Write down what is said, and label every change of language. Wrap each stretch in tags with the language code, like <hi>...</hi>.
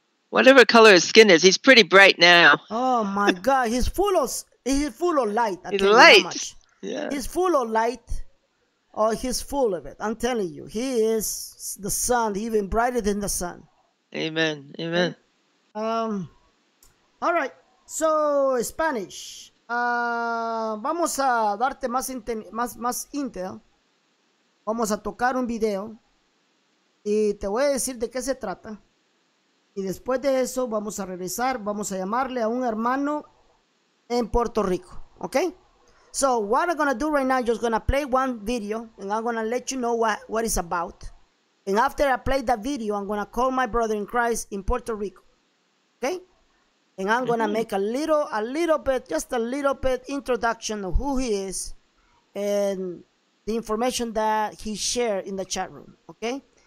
<en>Whatever color his skin is, he's pretty bright now. Oh, my God. He's full of light. He's light. Yeah. He's full of light. Oh, he's full of it. I'm telling you. He is the sun, even brighter than the sun. Amen. Amen. All right.</en> <es>So, Spanish, vamos a darte más intel, vamos a tocar un video, y te voy a decir de qué se trata, y después de eso vamos a regresar, vamos a llamarle a un hermano en Puerto Rico, ¿ok?</es> <en>So, what I'm going to do right now, I'm just going to play one video, and I'm going to let you know what it's about, and after I play that video, I'm going to call my brother in Christ in Puerto Rico, ¿ok? And I'm going to make a little bit introduction of who he is and the information that he shared in the chat room. Okay.</en>